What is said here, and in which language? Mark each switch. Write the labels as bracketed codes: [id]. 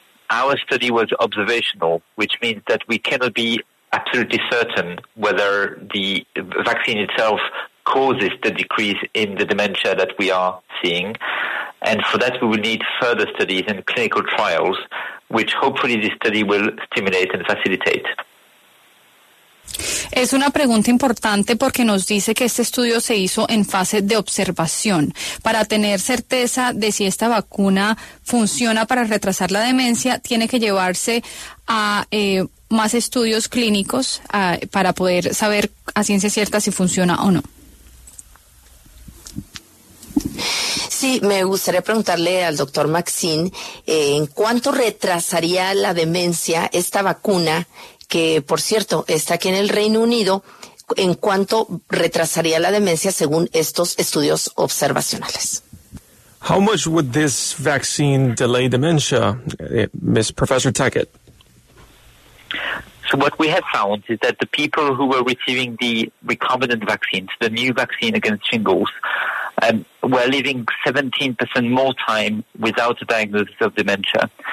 [en] Our study was observational, which means that we cannot be absolutely certain whether the vaccine itself causes the decrease in the dementia that we are seeing. And for that, we will need further studies and clinical trials, which hopefully this study will stimulate and facilitate. [es] Es una pregunta importante porque nos dice que este estudio se hizo en fase de observación. Para tener certeza de si esta vacuna funciona para retrasar la demencia, tiene que llevarse a más estudios clínicos para poder saber a ciencia cierta si funciona o no. Sí, me gustaría preguntarle al doctor Maxim, ¿en cuánto retrasaría la demencia esta vacuna, que por cierto está aquí en el Reino Unido, en cuánto retrasaría la demencia según estos estudios observacionales? [en] How much would this vaccine delay dementia, Ms. Professor Taquet? So what we have found is that the people who were receiving the recombinant vaccines, the new vaccine against shingles, we're living 17% more time without a diagnosis of dementia.